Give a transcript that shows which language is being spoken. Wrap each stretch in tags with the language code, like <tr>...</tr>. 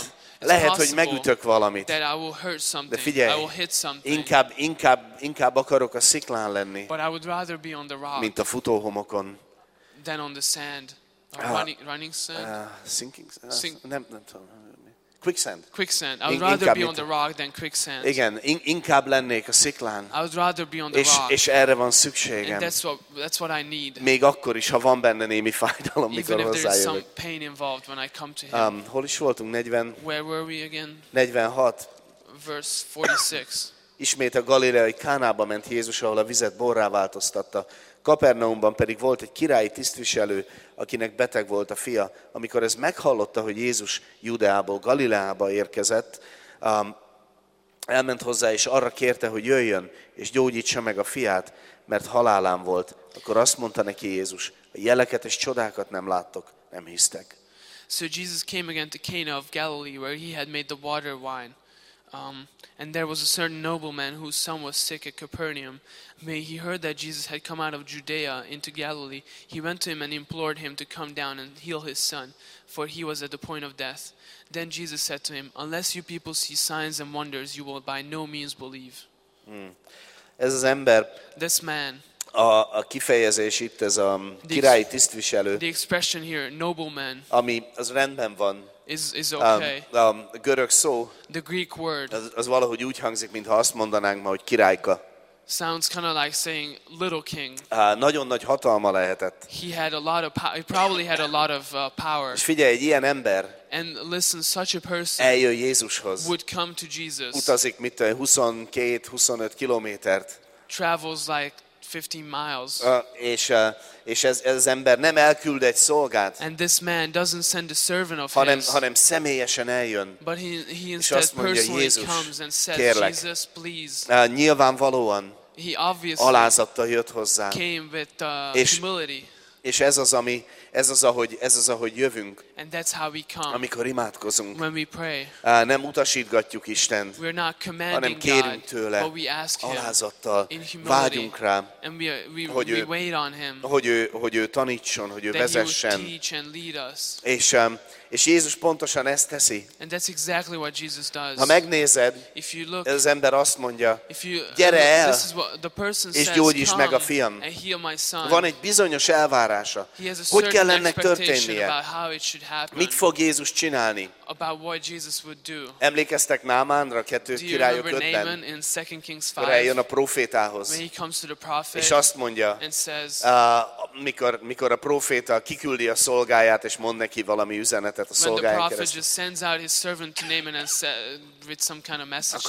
<en>It's</en> <hu>lehet, hogy megütök valamit.</hu> <en>That I will hurt something.</en> <hu>De figyelj,</hu> <en>I will hit something.</en> <hu>Inkább akarok a sziklán lenni,</hu> <en>but I would rather be on the rock,</en> <hu>mint a futóhomokon.</hu> <en>Than on the sand. Running sand? Sinking sand?</en> <hu>Nem tudom.</hu> <en>Quicksand. Quicksand. I would rather be on the rock than quicksand.</en> <hu>Igen, inkább lennék a sziklán.</hu> <en>I would rather be on the rock.</en> <hu>És erre van szükségem.</hu> <en>And that's what I need.</en> <hu>Még akkor is, ha van benne némi fájdalom, mikor hozzájövök.</hu> <en>Even if there's some pain involved when I come to him.</en> <hu>Hol is voltunk? 40.</hu> <en>Where were we again? 46. Verse 46.</en> <hu>ismét a galileai Kánába ment Jézus, ahol a vizet borrá változtatta. Kapernaumban pedig volt egy királyi tisztviselő, akinek beteg volt a fia. Amikor ez meghallotta, hogy Jézus Judeából, Galileába érkezett, elment hozzá, és arra kérte, hogy jöjjön, és gyógyítsa meg a fiát, mert halálán volt. Akkor azt mondta neki Jézus, a jeleket és csodákat nem láttok, nem hisztek.</hu> <en>So Jesus came again to Cana of Galilee, where he had made the water wine. And there was a certain nobleman whose son was sick at Capernaum. When he heard that Jesus had come out of Judea into Galilee, he went to him and implored him to come down and heal his son, for he was at the point of death. Then Jesus said to him, unless you people see signs and wonders, you will by no means believe.</en> <hu>Ez az ember,</hu> <en>this man,</en> <hu>a kifejezés itt, ez a királyi tisztviselő,</hu> <en>the expression here, nobleman,</en> <hu>ami az rendben van,</hu> <en>is okay.</en> <hu>A görög szó,</hu> <en>the Greek word,</en> <hu>az valahogy úgy hangzik, mintha azt mondanánk ma, hogy királyka.</hu> <en>Sounds kind of like saying little king.</en> <hu>Nagyon nagy hatalma lehetett.</hu> <en>He had a lot of power. He probably had a lot of power.</en> <hu>És figyelj, egy ilyen ember.</hu> <en>And listen, such a person.</en> <hu>Eljön Jézushoz.</hu> <en>Would come to Jesus.</en> <hu>Utazik mit 22-25 kilométert.</hu> <en>Travels like 15 miles.</en> <hu>És ez ember nem elküld egy szolgát.</hu> <en>And this man doesn't send a servant of</en> <hu>hanem személyesen eljön.</hu> <en>But he instead personally comes and says,</en> <hu>kérlek,</hu> <en>Jesus, please.</en> <hu>Nyilvánvalóan</hu> <en>he obviously</en> <hu>alázattal jött hozzá.</hu> <en>Came with humility.</en> <hu>És ez az, ahogy jövünk,</hu> <en>and that's how we come,</en> <hu>amikor imádkozunk.</hu> <en>When we pray,</en> <hu>nem utasítgatjuk Istent,</hu> <en>we're not commanding,</en> <hu>hanem kérünk tőle,</hu> <en>God, but we ask him,</en> <hu>alázattal,</hu> <en>in humility,</en> <hu>vágyunk rá,</hu> <en>and we wait on him,</en> <hu>hogy ő tanítson, hogy ő vezessen.</hu> <en>He would teach and lead us.</en> <hu>És Jézus pontosan ezt teszi.</hu> <en>And that's exactly what Jesus does.</en> <hu>Ha megnézed,</hu> <en>if you look,</en> <hu>ez az ember azt mondja,</hu> <en>if you,</en> <hu>gyere el,</hu> <en>this is what the person</en> <hu>és gyógyíts meg a fiam.</hu> <en>And heal my son.</en> <hu>Van egy bizonyos elvárása.</hu> <en>He has a</en> <hu>hogy kell ennek történnie?</hu> <en>About how it should happen.</en> <hu>Mit fog Jézus csinálni?</hu> <en>About what Jesus would do.</en> <hu>Emlékeztek Námánra, kettő királyok ötben? Amikor eljön a prófétához.</hu> <en>When he comes to the prophet,</en> <hu>és azt mondja,</hu> <en>and says,</en> <hu>mikor a próféta kiküldi a szolgáját, és mond neki valami üzenet,</hu> <en>when the prophet just sends out his servant to Naaman and with some kind of message.</en>